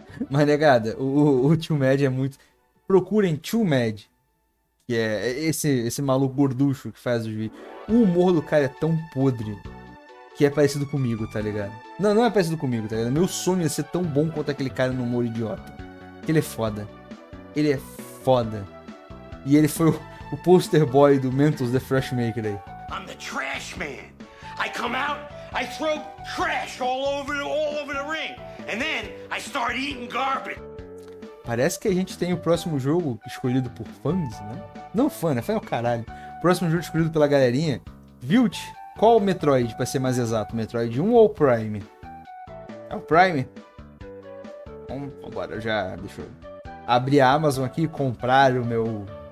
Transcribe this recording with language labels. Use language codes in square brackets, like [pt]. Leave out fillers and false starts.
[pt] Mas, negada, o Tio Mad é muito... Procurem Tio Mad, que é esse maluco gorducho que faz os vídeos. O humor do cara é tão podre que é parecido comigo, tá ligado? Não, não é parecido comigo, tá ligado? Meu sonho é ser tão bom quanto aquele cara no humor idiota. Ele é foda. Ele é foda. E ele foi o poster boy do Mentos The Fresh Maker aí. [en] I'm the trash man. I come out, I throw trash all over the ring. And then I start eating garbage. [pt] Parece que a gente tem o próximo jogo escolhido por fãs, né? Não fã, né? Fã é o caralho. Próximo jogo escolhido pela galerinha. Vilt, qual o Metroid, pra ser mais exato? Metroid 1 ou Prime? É o Prime? Agora já. Deixa eu abrir a Amazon aqui e comprar o meu.